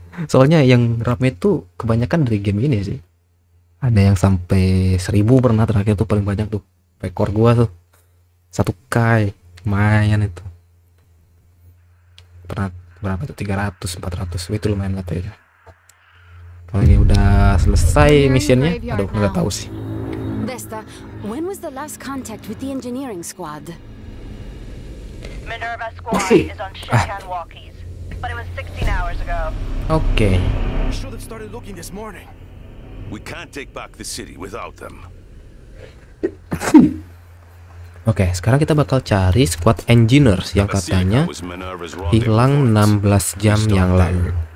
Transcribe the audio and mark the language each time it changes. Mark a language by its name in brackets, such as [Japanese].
[Indonesian] Soalnya yang rame itu kebanyakan dari game ini sih, ada yang sampai 1000 pernah terakhir tuh, paling banyak tuh rekor gua tuh 1k lumayan itu pernah. Berapa tuh, 300-400 itu lumayan katanya ya. Kalau ini udah selesai misinya, aduh nggak tahu sih. [English] Vesta, when was the last contact with the engineering squad? Minerva squad is on Shikan walkies, but it was 16 hours ago. Okay. We should have started looking this morning. We can't take back the city without them. [Indonesian] Oke, sekarang kita bakal cari [English] squad engineers [Indonesian] yang katanya hilang 16 jam yang lalu.